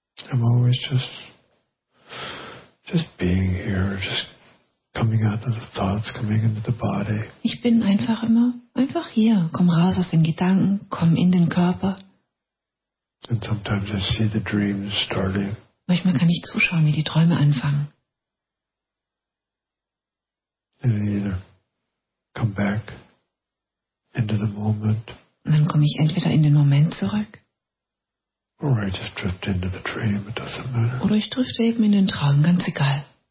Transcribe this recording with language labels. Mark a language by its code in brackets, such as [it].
[en] I'm always just being here, just coming out of the thoughts, coming into the body. [de] Ich bin einfach immer einfach hier. Komm raus aus den Gedanken, komm in den Körper. [en] And sometimes I see the dreams starting. [de] Manchmal kann ich zuschauen, wie die Träume anfangen. [en] And I either come back into the moment. [de] Und dann komme ich entweder in den Moment zurück. [en] Or I just drift into the dream. It doesn't matter. [de] Oder ich drifte eben in den Traum, ganz egal.